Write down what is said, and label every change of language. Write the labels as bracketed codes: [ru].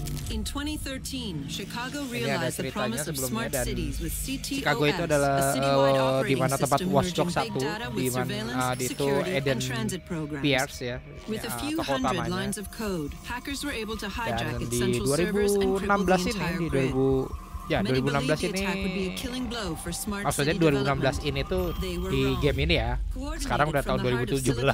[en] In 2013, Chicago realized the promise of smart cities with CTOS. [id] Chicago itu adalah di mana tempat Watchdog 1 di mana itu Eden Transit Program. Pierce ya. [en] With a few hundred lines of code, hackers were able to hijack its central servers and cripple the entire grid. [id] 2016 ini di 2000 ya, 2016 ini, maksudnya 2016 ini tuh di game ini ya, sekarang udah tahun 2017.